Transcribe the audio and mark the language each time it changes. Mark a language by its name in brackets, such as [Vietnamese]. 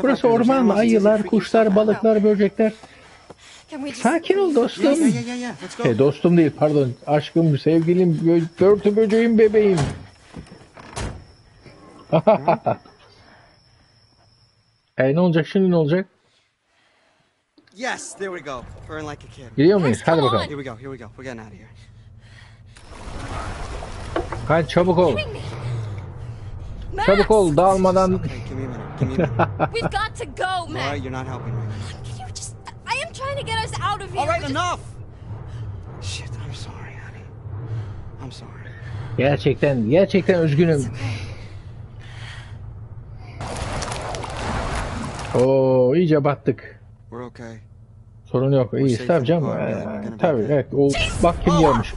[Turkish] burası orman, ayılar, kuşlar, balıklar, böcekler. Sakin ol dostum. Dostum değil, pardon. Aşkım, sevgilim, börtü böceğim, bebeğim. ne olacak şimdi, ne olacak? [English] Yes, there we go. Burn like a kid. [Turkish] Gidiyor muyuz? Hadi bakalım. [English] Here we go, here we go. We're getting out of here. [Turkish] Kaç, çabuk ol. Çabuk ol, dağılmadan. [English] We've got to go, man. All right, you're not helping me. Can you just... I am trying to get us out of here. All right, enough. Shit, I'm sorry, honey. I'm sorry. [Turkish] Gerçekten, gerçekten üzgünüm. Oo, iyice battık. [English] We're okay. [Turkish] Sorun yok. İyi, tab cam. Tabii, evet. O, bak kim gelmiş.